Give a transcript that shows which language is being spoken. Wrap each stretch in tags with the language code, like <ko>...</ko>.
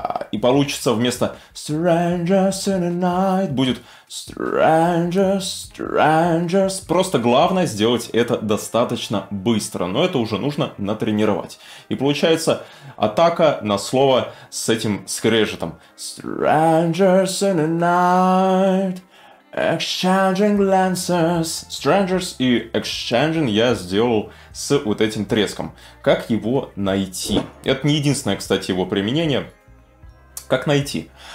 <ru>И получится вместо Strangers in the night будет Strangers, Strangers. Просто главное сделать это достаточно быстро, но это уже нужно натренировать. И получается атака на слово с этим скрежетом.</ru> <en>Strangers in the night, exchanging glances.</en> <ru>Strangers и exchanging я сделал с вот этим треском. Как его найти? Это не единственное, кстати, его применение. Как найти?</ru>